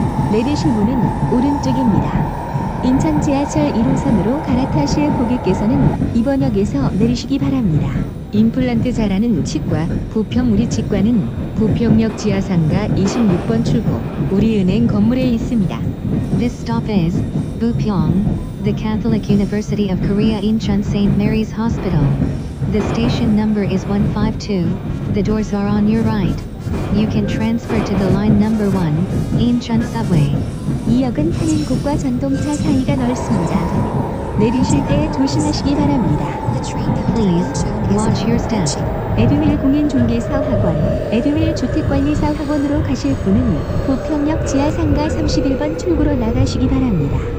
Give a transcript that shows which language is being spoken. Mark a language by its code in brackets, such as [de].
[ko] 내리실 문은 오른쪽입니다. 인천 지하철 1호선으로 갈아타실 고객께서는 입원역에서 내리시기 바랍니다. 임플란트 잘하는 치과, 부평 우리 치과는 부평역 지하상가 26번 출구 우리 은행 건물에 있습니다. [en] This stop is Bupyeong, the Catholic University of Korea Incheon St. Mary's Hospital. The station number is 152. The doors are on your right. You can transfer to the line number 1, Incheon Subway. [ko] 이 역은 한인국과 전동차 사이가 넓습니다. 내리실 때 조심하시기 바랍니다. [en] Please watch your step. [ko] 에듀윌 공인중개사 학원, 에듀윌 주택관리사 학원으로 가실 분은 부평역 지하상가 31번 출구로 나가시기 바랍니다.